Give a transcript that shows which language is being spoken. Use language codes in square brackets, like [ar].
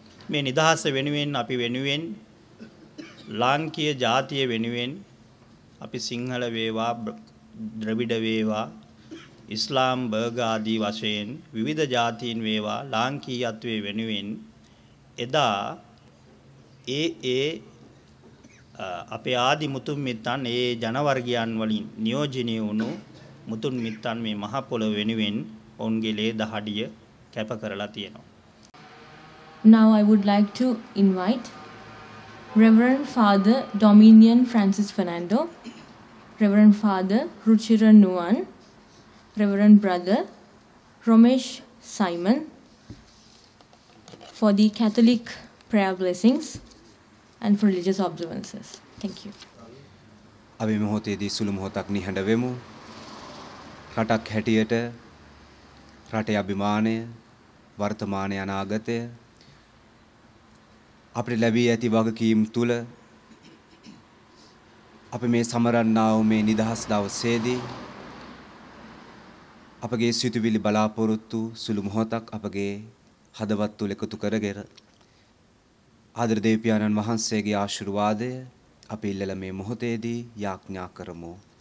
[si] මේ නිදහස වෙනුවෙන් අපි වෙනුවෙන් ලාංකීය ජාතිය වෙනුවෙන් අපි සිංහල වේවා, ද්‍රවිඩ වේවා, ඉස්ලාම්, බර්ග ආදී වශයෙන් විවිධ ජාතීන් වේවා, ලාංකීයත්වයේ වෙනුවෙන් එදා ඒ අපේ ආදි මුතුන් මිත්තන්, ඒ ජනවර්ගයන් වලින් නියෝජනය වුණු මුතුන් මිත්තන් මේ මහ පොළොව වෙනුවෙන් ඔවුන්ගේ ලේ දහඩිය කැප කරලා තියෙනවා. [en] Now I would like to invite Reverend Father Dominion Francis Fernando, Reverend Father Ruchira Nuan, Reverend Brother Ramesh Simon for the Catholic prayer blessings and for religious observances. Thank you. [si] අපි මොහොතේදී සුළු මොහොතක් නිහඬ වෙමු. රටක් හැටියට රටේ අභිමානය, වර්තමානයේ අනාගතය අපිට ලැබී ඇති වගකීම් තුල අපි මේ සමරන්නා වූ මේ නිදහස් දවසේදී අපගේ සිතුවිලි බලාපොරොත්තු සුළු මොහොතක් අපගේ හදවත් තුල එකතු කරගෙන ආදර දේවපියාණන් වහන්සේගේ ආශිර්වාදය අපි ඉල්ලලා මේ මොහොතේදී යාඥා කරමු.